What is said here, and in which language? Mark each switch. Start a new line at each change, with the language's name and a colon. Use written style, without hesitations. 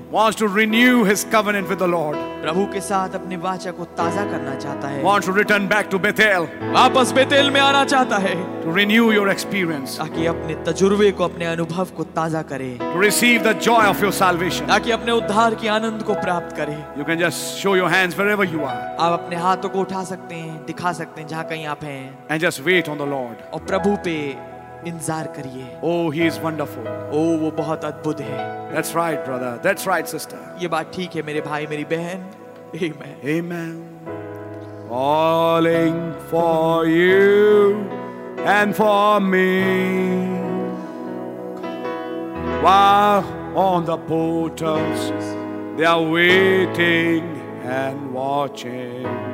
English: wants to renew his covenant with the Lord,
Hindi: प्रभु के साथ अपने वाचा को ताजा करना चाहता है,
English: wants to return back to Bethel,
Hindi: वापस बेथेल में आना चाहता है,
English: to renew your experience,
Hindi: ताकि अपने तजुर्वे को अपने अनुभव को ताजा करे,
English: to receive the joy of your salvation,
Hindi: ताकि अपने उद्धार की आनंद को प्राप्त करे,
English: you can just show your hands wherever you are,
Hindi: आप अपने हाथों को उठा सकते हैं, दिखा सकते हैं जहाँ कहीं आप हैं,
English: and just wait on the Lord,
Hindi: और प्रभु पे इंतजार करिए
English: Oh, he is wonderful.
Hindi: Oh, वो बहुत अद्भुत है
English: That's right, brother. That's right, sister.
Hindi: ये बात ठीक है मेरे भाई मेरी बहन Amen.
English: Amen. Calling for you and for me. While on the portals, they are waiting and watching.